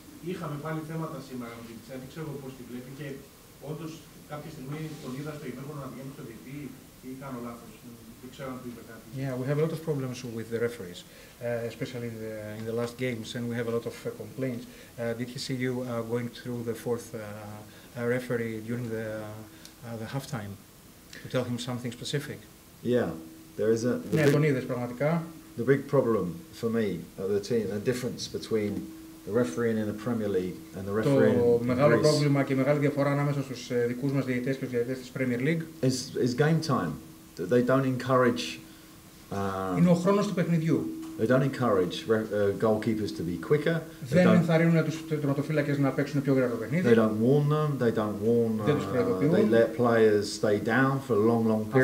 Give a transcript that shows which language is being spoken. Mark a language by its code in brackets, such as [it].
[el] Είχαμε πάλι θέματα σήμερα με τη διετσία, δεν ξέρω πώς τη βλέπει και όντως κάποια στιγμή τον είδα στο ημέρο να βγαίνει στο διετή ή κάνω λάθος. [en] Yeah, we have a lot of problems with the referees, especially in the last games, and we have a lot of complaints. Did he see you going through the fourth referee during the halftime to tell him something specific? Yeah, there is a. [el] Yeah, τον είδες πραγματικά. [en] The big problem for me, the team, the difference between the refereeing in the Premier League and the refereeing in Greece. [el] Το μεγάλο πρόβλημα και μεγάλη διαφορά ανάμεσα στους δικούς μας διαιτητές και διαιτητές της Premier League. [en] Is game time. They don't encourage. [el] Είναι ο χρόνος του παιχνιδιού. [en] They don't encourage goalkeepers to be quicker. [el] Δεν ενθαρρύνουν τους τερματοφύλακες να παίξουν πιο γρήγορα το παιχνίδι. [en] They don't warn them. They don't warn. [el] Δεν τους προειδοποιούν. [en] They let players stay down for long, long periods.